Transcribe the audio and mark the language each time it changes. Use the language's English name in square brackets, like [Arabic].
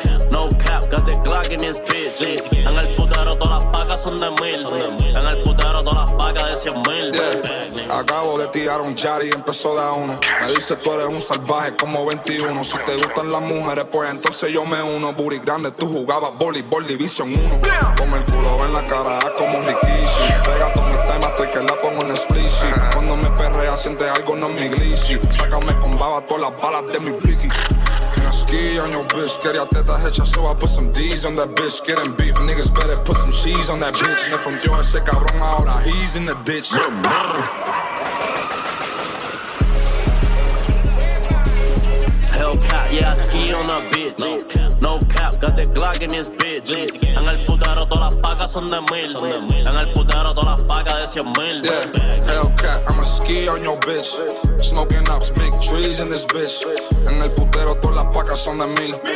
[English] No cap, got the Glock in this bitch. [Spanish] En el putero, todas las pacas son de mil. En el putero, todas las pacas de 100 mil. [English] Yeah. [Spanish] Acabo de tirar un Jari y empezó de a uno. Me dice tú eres un salvaje como 21. Si te gustan las mujeres, pues entonces yo me uno. Booty grande, tú jugabas voleibol Division 1. Como el culo en la cara, como Rikishi. Pega todos mis temas, estoy que la pongo en explicit. Cuando me perrea, siente algo, no me glitchy. Sácame con baba todas las balas de mi blicky. [English] I'm a ski on your bitch. Quería tetas hechas, so I put some D's on that bitch. Getting beef, niggas better put some cheese on that bitch. [Spanish] Me frontió ese cabrón, ahora he's in the ditch. [English] Yeah, I ski on a bitch. No cap, got the Glock in this bitch. [Spanish] En el putero, todas las pacas son de mil. En el putero, todas las pacas de 100 mil. [English] Yeah, Hellcat, I'ma ski on your bitch. Smoking ops, big trees in this bitch. [Spanish] En el putero, todas las pacas son de mil.